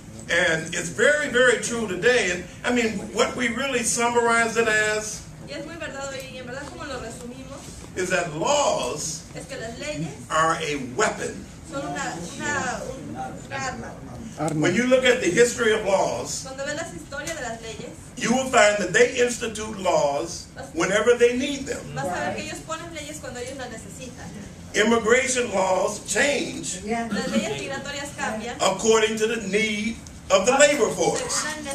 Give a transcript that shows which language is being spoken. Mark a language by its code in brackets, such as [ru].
[en] and it's very, very true today, and I mean, what we really summarize it as, [es] y es muy verdad hoy, y en verdad como lo resumimos, [en] is that laws [es] es que las leyes [en] are a weapon. [es] Son una arma. [en] When you look at the history of laws, [es] cuando ves la historia de las leyes, [en] you will find that they institute laws whenever they need them. [es] Vas a ver que ellos ponen leyes cuando ellos las necesitan. [en] Immigration laws change according to the need of the labor force.